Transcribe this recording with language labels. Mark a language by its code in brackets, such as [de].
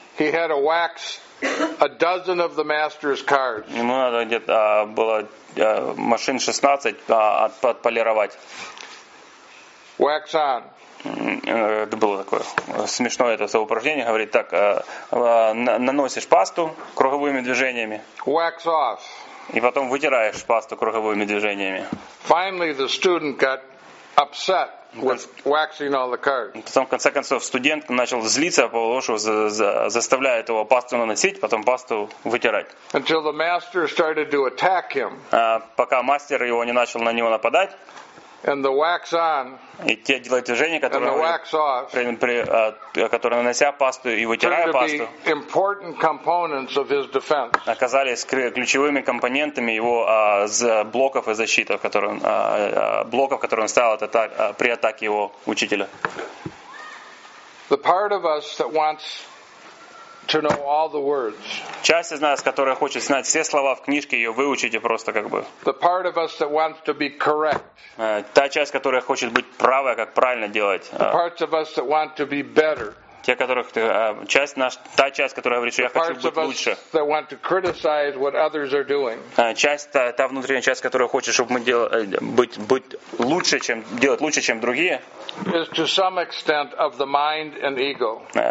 [en] he had to wax a dozen of the master's cards. [ru] Ему надо где-то было машин 16 отполировать. [en] Wax on. [ru] Это было такое смешное это упражнение. Говорит, так, наносишь пасту круговыми движениями. [en] Wax off. [ru] И потом вытираешь пасту круговыми движениями. [en] Finally, the student got upset with waxing all the cards. [ru] Потом, в конце концов, студент начал злиться, по-моему, заставляя этого пасту наносить, потом пасту вытирать. [en] Until the master started to attack him. [ru] Пока мастер его не начал на него нападать. [en] And the wax on. [ru] И те делают движения, которые, [en] wax off, [ru] которые нанося пасту и вытирая пасту, [en] important components of his defense. [ru] Оказались ключевыми компонентами его блоков и защиты, блоков, которые он ставил при атаке его учителя. [en] The part of us that wants to know all the words. [ru] Часть из нас, которая хочет знать все слова в книжке, ее выучить и просто как бы. [en] The part of us that wants to be correct. [ru] Та часть, которая хочет быть правой, как правильно делать. [en] The parts of us that want to be better. [ru] Те, которых та часть, которая говорит, что я хочу быть лучше. [en] The parts of us that want to criticize what others are doing. [ru] Та внутренняя часть, которая хочет, чтобы мы делать лучше, чем другие. [en] Is to some extent of the mind and ego.